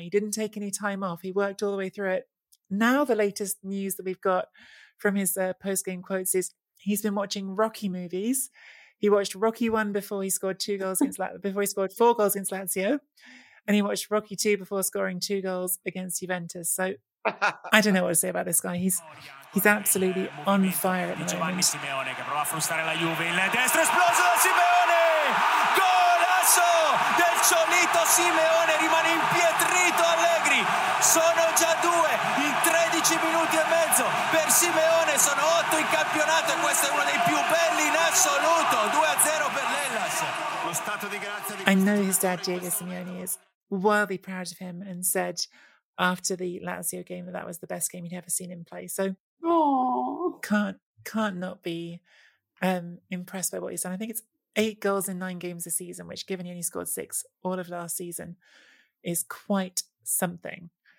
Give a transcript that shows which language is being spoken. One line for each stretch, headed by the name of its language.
English: He didn't take any time off. He worked all the way through it. Now the latest news that we've got from his post-game quotes is he's been watching Rocky movies. He watched Rocky 1 before he scored two goals before he scored four goals against Lazio. And he watched Rocky 2 before scoring two goals against Juventus. So I don't know what to say about this guy. He's absolutely on fire at the moment.
Italian: Giovanni Simeone che prova a frustare la Juve in destra, esploso da Simeone! Golazo del Cholito Simeone, rimane impietrito Allegri. Sono già due in 13 minuti e mezzo per Simeone, sono 8 in campionato e questo è uno dei più belli in assoluto. 2-0 per l'Hellas. Lo stato di grazia di
English: I know his dad Diego Simeone is wildly proud of him and said after the Lazio game that was the best game he'd ever seen him play. So can't not be impressed by what he's done. I think it's 8 goals in 9 games a season, which, given he only scored 6 all of last season, is quite something.